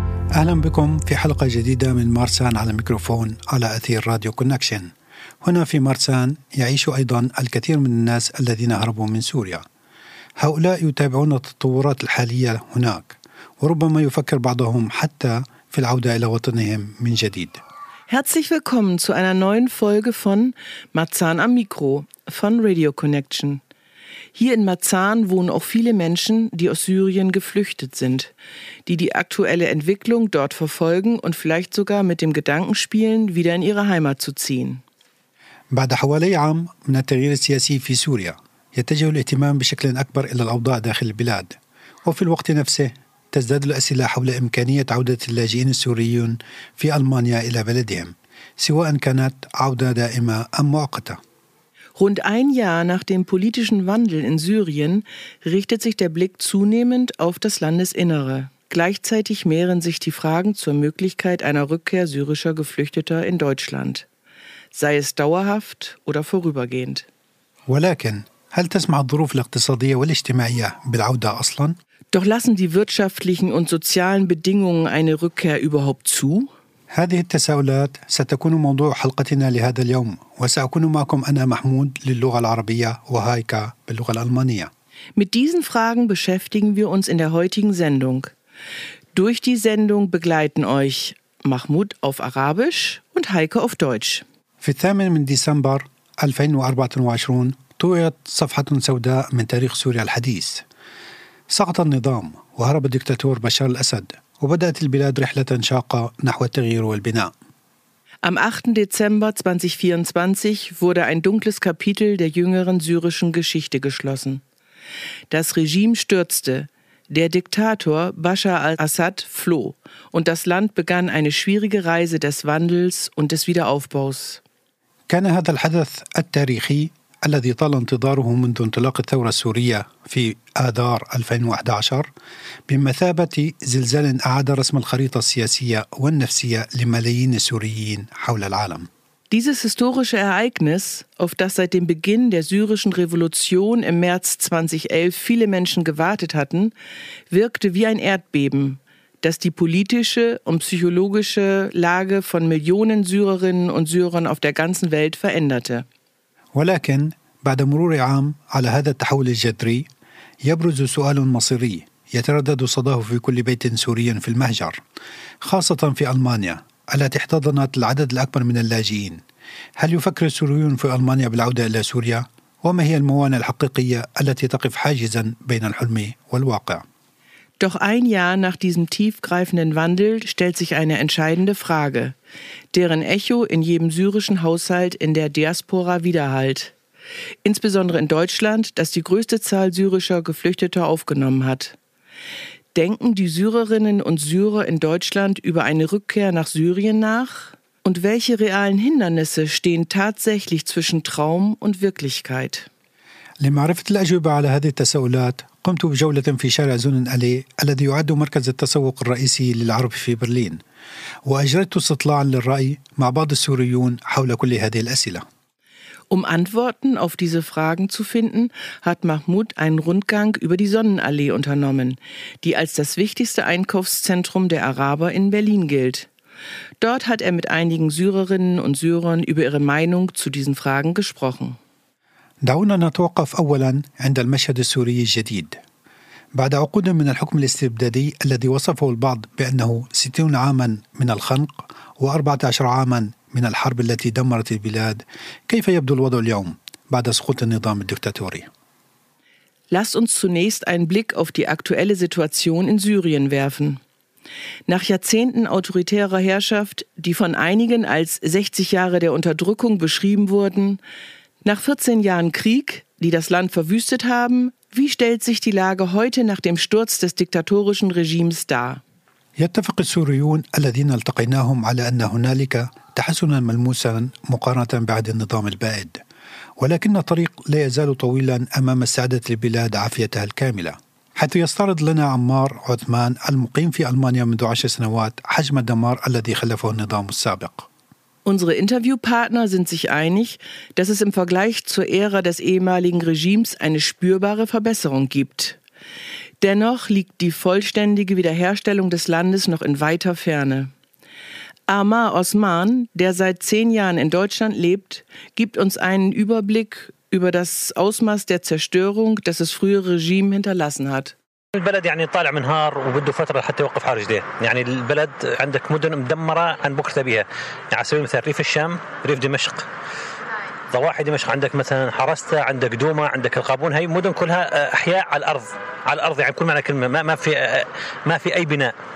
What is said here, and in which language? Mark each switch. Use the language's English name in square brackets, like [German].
[Arabic] أهلا بكم في حلقة جديدة من مارسان على الميكروفون على أثير راديو كونكشن. هنا في مارسان يعيش أيضا الكثير من الناس الذين هربوا من سوريا. هؤلاء يتابعون التطورات الحالية هناك، وربما يفكر بعضهم حتى في العودة إلى وطنهم من جديد. [German] Herzlich willkommen zu einer neuen Folge von Marzahn am Mikro von Radio Connection. Hier in Marzahn wohnen auch viele Menschen, die aus Syrien geflüchtet sind, die die aktuelle Entwicklung dort verfolgen und vielleicht sogar mit dem Gedanken spielen, wieder in ihre Heimat zu ziehen. [Arabic] بعد حوالي عام من التغيير السياسي في سوريا، يتجه الاهتمام بشكل أكبر إلى الأوضاع داخل البلاد. وفي الوقت نفسه، تزداد الأسئلة حول إمكانية عودة اللاجئين السوريين في ألمانيا إلى بلدهم، سواء كانت عودة دائمة أم مؤقتة. [German] Rund ein Jahr nach dem politischen Wandel in Syrien richtet sich der Blick zunehmend auf das Landesinnere. Gleichzeitig mehren sich die Fragen zur Möglichkeit einer Rückkehr syrischer Geflüchteter in Deutschland, sei es dauerhaft oder vorübergehend. [Arabic] ولكن هل تسمح الظروف الاقتصادية والاجتماعية بالعودة اصلا؟ [German] Doch lassen die wirtschaftlichen und sozialen Bedingungen eine Rückkehr überhaupt zu? [Arabic] هذه التساؤلات ستكون موضوع حلقتنا لهذا اليوم وسأكون معكم أنا محمود للغة العربية وهايكا باللغة الألمانية. [German] Mit diesen Fragen beschäftigen wir uns in der heutigen Sendung. Durch die Sendung begleiten euch Mahmoud auf Arabisch und Heike auf Deutsch. [Arabic] في 8 من ديسمبر 2024 طويت صفحة سوداء من تاريخ سوريا الحديث. سقط النظام وهرب الدكتاتور بشار الأسد. وبدأت البلاد رحلة شاقة نحو التغيير والبناء. [German] Am 8. Dezember 2024 wurde ein dunkles Kapitel der jüngeren syrischen Geschichte geschlossen. Das Regime stürzte, der Diktator Bashar al-Assad floh und das Land begann eine schwierige Reise des Wandels und des Wiederaufbaus. [Arabic] كان هذا الحدث التاريخي الذي طال انتظاره منذ انطلاق الثورة السورية في آذار 2011 بمثابة زلزال أعاد رسم الخريطة السياسية والنفسية لملايين السوريين حول العالم. [German] Dieses historische Ereignis, auf das seit dem Beginn der syrischen Revolution im März 2011 viele Menschen gewartet hatten, wirkte wie ein Erdbeben, das die politische und psychologische Lage von Millionen Syrerinnen und Syrern auf der ganzen Welt veränderte. [Arabic] ولكن بعد مرور عام على هذا التحول الجذري يبرز سؤال مصيري يتردد صداه في كل بيت سوري في المهجر خاصة في ألمانيا التي احتضنت العدد الأكبر من اللاجئين هل يفكر السوريون في ألمانيا بالعودة إلى سوريا؟ وما هي الموانع الحقيقية التي تقف حاجزا بين الحلم والواقع؟ [German] Doch ein Jahr nach diesem tiefgreifenden Wandel stellt sich eine entscheidende Frage, deren Echo in jedem syrischen Haushalt in der Diaspora widerhallt. Insbesondere in Deutschland, das die größte Zahl syrischer Geflüchteter aufgenommen hat. Denken die Syrerinnen und Syrer in Deutschland über eine Rückkehr nach Syrien nach? Und welche realen Hindernisse stehen tatsächlich zwischen Traum und Wirklichkeit? [Arabic] لمعرفة الأجوبة على هذه التساؤلات قمت بجولة في شارع زونن ألي الذي يعد مركز التسوق الرئيسي للعرب في برلين وأجريت استطلاعا للرأي مع بعض السوريون حول كل هذه الأسئلة. [German] Um Antworten auf diese Fragen zu finden, hat Mahmoud einen Rundgang über die Sonnenallee unternommen, die als das wichtigste Einkaufszentrum der Araber in Berlin gilt. Dort hat er mit einigen Syrerinnen und Syrern über ihre Meinung zu diesen Fragen gesprochen. [Arabic] دعونا نتوقف أولا عند المشهد السوري الجديد بعد عقود من الحكم الاستبدادي الذي وصفه البعض بأنه 60 عاما من الخنق و14 عاما من الحرب التي دمرت البلاد كيف يبدو الوضع اليوم بعد سقوط النظام الدكتاتوري؟ [German] Lasst uns zunächst einen Blick auf die aktuelle Situation in Syrien werfen. Nach Jahrzehnten autoritärer Herrschaft, die von einigen als 60 Jahre der Unterdrückung beschrieben wurden, Nach 14 Jahren Krieg, die das Land verwüstet haben, wie stellt sich die Lage heute nach dem Sturz des diktatorischen Regimes dar? [Arabic] يتفق السوريون الذين التقيناهم على أن هنالك تحسنا ملموسا مقارنة بعد النظام البائد، ولكن الطريق لا يزال طويلا أمام استعادة البلاد عافيتها الكاملة. حيث يستعرض لنا عمار عثمان المقيم في ألمانيا منذ 10 سنوات حجم الدمار الذي خلفه النظام السابق. [German] Unsere Interviewpartner sind sich einig, dass es im Vergleich zur Ära des ehemaligen Regimes eine spürbare Verbesserung gibt. Dennoch liegt die vollständige Wiederherstellung des Landes noch in weiter Ferne. Amar Osman, der seit 10 Jahren in Deutschland lebt, gibt uns einen Überblick über das Ausmaß der Zerstörung, das das frühere Regime hinterlassen hat. [Arabic] البلد يعني طالع منهار وبده فترة حتى يوقف حرج ده يعني البلد عندك مدن مدمرة عن بكرة بيها يعني على سبيل المثال ريف الشام ريف دمشق ضواحي دمشق عندك مثلا حرستا عندك دوما عندك القابون هاي مدن كلها أحياء على الأرض على الأرض يعني كل معنى كلمة ما في أي بناء